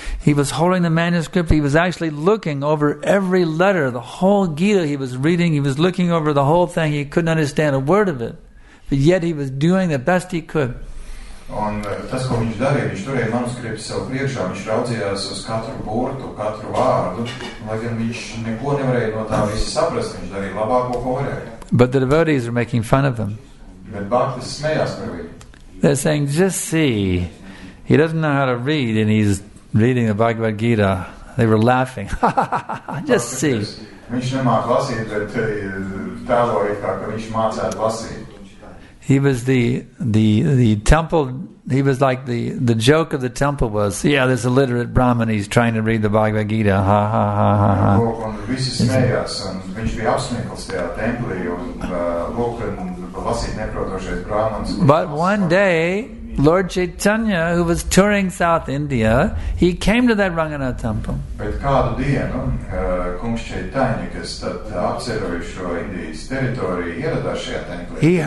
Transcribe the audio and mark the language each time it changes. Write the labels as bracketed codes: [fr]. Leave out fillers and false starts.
[en] He was holding the manuscript, he was actually looking over every letter, the whole Gita he was reading, he was looking over the whole thing, he couldn't understand a word of it. But yet he was doing the best he could. [lv] Un tas, ko viņš darīja, viņš turēja manuskriptu savu priekšā, viņš raudzījās uz katru burtu, katru vārdu, lai gan viņš neko nevarēja no tā visu saprast, viņš darīja labāko, ko varēja. [en] But the devotees are making fun of him. [lv] Bet bhaktis smējās par viņu. [en] They're saying, just see, he doesn't know how to read and he's reading the Bhagavad Gita. They were laughing. Just see. [lv] Viņš nemāk lasīt, bet tēloja kā, ka viņš mācētu lasīt. [en] He was the temple, he was like the joke of the temple was, yeah, there's illiterate Brahman, he's trying to read the Bhagavad Gita, ha, ha, ha, ha, ha. And [lv] visi smējās, un viņš bija apsmikls tajā templī, un lasīt neprotošais Brahmans. [en] But one day, Lord Chaitanya, who was touring South India, he came to that Ranganath temple. [lv] Bet kādu dienu, kungs Chaitanya, kas tad apceroja šo Indijas teritoriju, ieradās šajā templī.